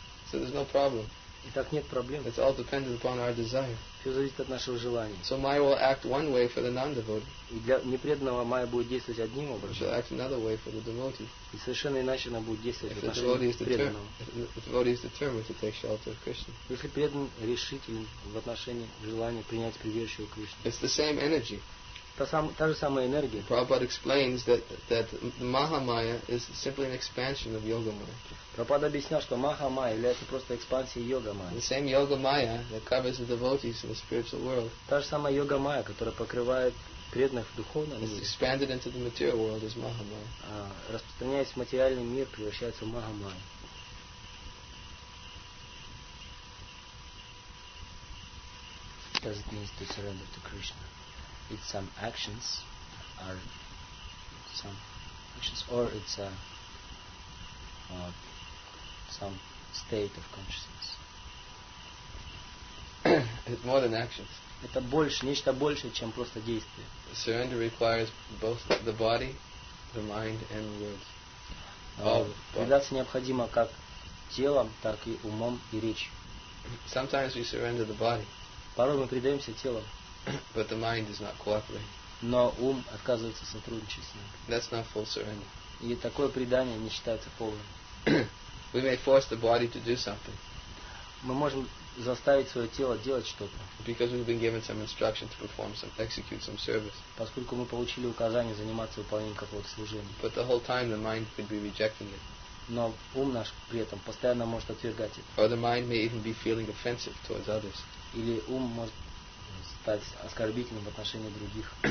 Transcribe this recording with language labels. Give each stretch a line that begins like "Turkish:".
English: So there's no problem.
Russian: И так нет проблем.
English: It's all dependent upon our desire.
Russian: Все зависит от нашего желания.
English: So Maya will act one way for the non-devotee.
Russian: И для непреданного Maya будет действовать одним образом.
English: She'll act another way for the devotee.
Russian: И совершенно иначе она будет действовать для нашего преданного.
English: If the devotee is determined to take shelter of Krishna.
Russian: Если преданный решителен в отношении желания принять прибежище у Кришны.
English: It's the same energy.
Russian: Та же самая энергия.
English: Prabhupada explains that Mahamaya is simply an expansion of Yoga Maya.
Russian: Prabhupada объяснял, что Mahamaya является просто экспансией Yoga Maya.
English: The same Yoga Maya that covers the devotees in the spiritual world.
Russian: Та же самая Yoga Maya, которая покрывает преданных в духовном мире.
English: It's expanded into the material world as Mahamaya.
Russian: Распространяясь в материальный мир, превращается в Mahamaya.
English: Does it mean to surrender to Krishna? It's some actions, or some actions, or it's a some state of consciousness. It's more than actions.
Russian: Это больше, нечто больше, чем просто действие.
English: Surrender requires both the body, the mind, and the words.
Russian: Предаться необходимо как телом, так и умом и речью.
English: Sometimes we surrender the body.
Russian: Порой мы предаемся телом.
English: But the mind is not cooperating.
Russian: Но ум отказывается сотрудничать с ним.
English: That's not full surrender.
Russian: И такое предание не считается полным.
English: We may force the body to do something.
Russian: Мы можем заставить свое тело делать что-то.
English: Because we've been given some instruction to perform some, execute some service.
Russian: Поскольку мы получили указание заниматься выполнением какого-то служения.
English: But the whole time the mind could be rejecting it.
Russian: Но ум наш при этом постоянно может отвергать это.
English: Or the mind may even be feeling offensive towards others.
Russian: Или ум может стать оскорбительным в отношении других.